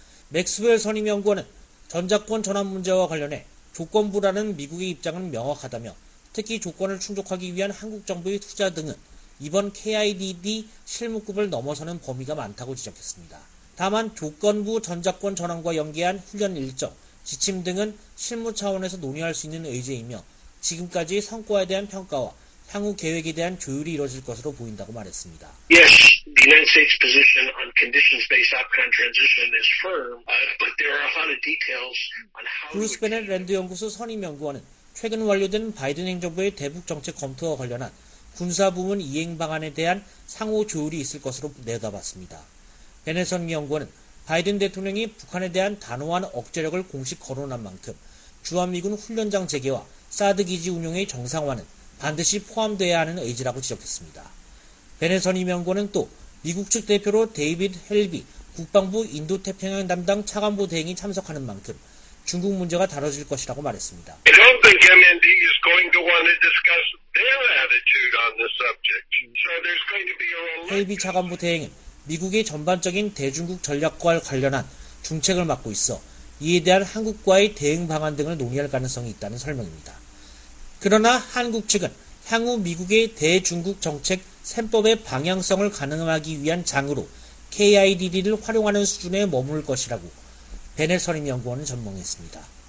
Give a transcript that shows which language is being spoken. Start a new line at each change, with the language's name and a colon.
Korean: 맥스웰 선임연구원은 전작권 전환 문제와 관련해 조건부라는 미국의 입장은 명확하다며 특히 조건을 충족하기 위한 한국 정부의 투자 등은 이번 KIDD 실무급을 넘어서는 범위가 많다고 지적했습니다. 다만 조건부 전작권 전환과 연계한 훈련 일정, 지침 등은 실무 차원에서 논의할 수 있는 의제이며 지금까지 성과에 대한 평가와 향후 계획에 대한 조율이 이루어질 것으로 보인다고 말했습니다.
English: Yes, the United States position on conditions-based outcome transition is firm, but there are a lot of details on how.
Korean: 브루스 베넷 랜드 연구소 선임 연구원은 최근 완료된 바이든 행정부의 대북 정책 검토와 관련한 군사 부문 이행 방안에 대한 상호 조율이 있을 것으로 내다봤습니다. 베네선 연구원은 바이든 대통령이 북한에 대한 단호한 억제력을 공식 거론한 만큼 주한미군 훈련장 재개와 사드기지 운용의 정상화는 반드시 포함되어야 하는 의지라고 지적했습니다. 베네선 연구원은 또 미국 측 대표로 데이빗 헬비 국방부 인도태평양 담당 차관보 대행이 참석하는 만큼 중국 문제가 다뤄질 것이라고 말했습니다.
English: I don't think MND is going to want to discuss their attitude on the subject. So there's going to be a.
Korean: 헬비 차관보 대행은 미국의 전반적인 대중국 전략과 관련한 중책을 맡고 있어 이에 대한 한국과의 대응 방안 등을 논의할 가능성이 있다는 설명입니다. 그러나 한국 측은 향후 미국의 대중국 정책 셈법의 방향성을 가능하기 위한 장으로 KIDD를 활용하는 수준에 머물 것이라고 베네선임 연구원은 전망했습니다.